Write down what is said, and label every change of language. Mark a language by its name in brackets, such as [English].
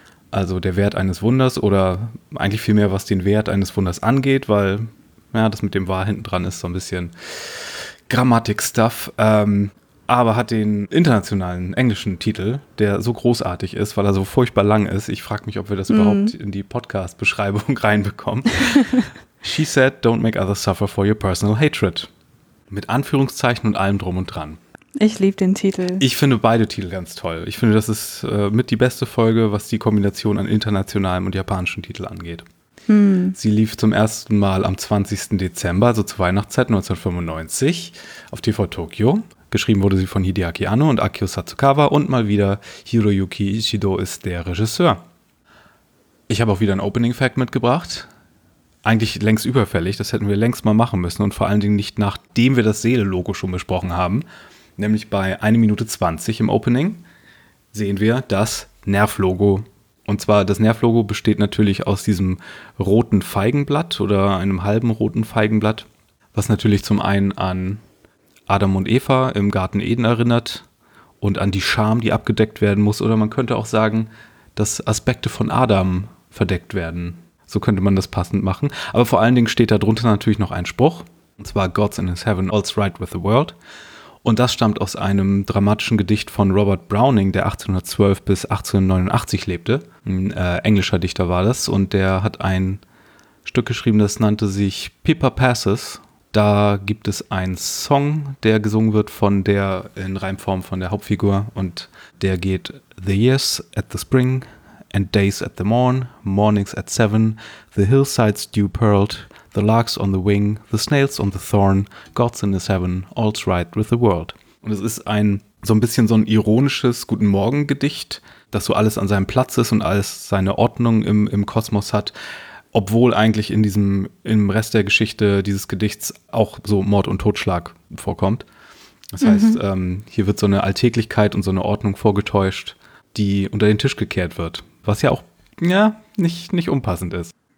[German] Also der Wert eines Wunders oder eigentlich vielmehr, was den Wert eines Wunders angeht, weil ja, das mit dem Wahr hinten dran ist so ein bisschen Grammatik-Stuff. Aber hat den internationalen englischen Titel, der so großartig ist, weil er so furchtbar lang ist. Ich frage mich, ob wir das überhaupt in die Podcast-Beschreibung reinbekommen. [English] She said, don't make others suffer for your personal hatred. [German] Mit Anführungszeichen und allem drum und dran. Ich liebe den Titel. Ich finde beide Titel ganz toll. Ich finde, das ist mit die beste Folge, was die Kombination an internationalem und japanischen Titel angeht. Sie lief zum ersten Mal am 20. Dezember, also zur Weihnachtszeit 1995, auf TV Tokio. Geschrieben wurde sie von Hideaki Anno und Akio Satsukawa und mal wieder Hiroyuki Ishido ist der Regisseur. Ich habe auch wieder ein Opening Fact mitgebracht. Eigentlich längst überfällig, das hätten wir längst mal machen müssen und vor allen Dingen nicht, nachdem wir das Seele-Logo schon besprochen haben. Nämlich bei 1 Minute 20 im Opening sehen wir das Nerv-Logo. Und zwar, das Nerv-Logo besteht natürlich aus diesem roten Feigenblatt oder einem halben roten Feigenblatt, was natürlich zum einen an Adam und Eva im Garten Eden erinnert und an die Scham, die abgedeckt werden muss. Oder man könnte auch sagen, dass Aspekte von Adam verdeckt werden. So könnte man das passend machen. Aber vor allen Dingen steht da drunter natürlich noch ein Spruch. Und zwar, [English] God's in his heaven, all's right with the world. [German] Und das stammt aus einem dramatischen Gedicht von Robert Browning, der 1812 bis 1889 lebte. Ein englischer Dichter war das. Und der hat ein Stück geschrieben, das nannte sich Pippa Passes. Da gibt es einen Song, der gesungen wird von der in Reimform von der Hauptfigur. Und der geht, [English] the years at the spring and days at the morn, mornings at seven, the hillsides dew-pearled, the larks on the wing, the snails on the thorn, God's in his heaven, all's right with the world. [German] Und es ist ein so ein bisschen so ein ironisches Guten-Morgen-Gedicht, dass so alles an seinem Platz ist und alles seine Ordnung im Kosmos hat, obwohl eigentlich in diesem im Rest der Geschichte dieses Gedichts auch so Mord und Totschlag vorkommt. Das heißt, hier wird so eine Alltäglichkeit und so eine Ordnung vorgetäuscht, die unter den Tisch gekehrt wird, was ja auch ja nicht unpassend ist.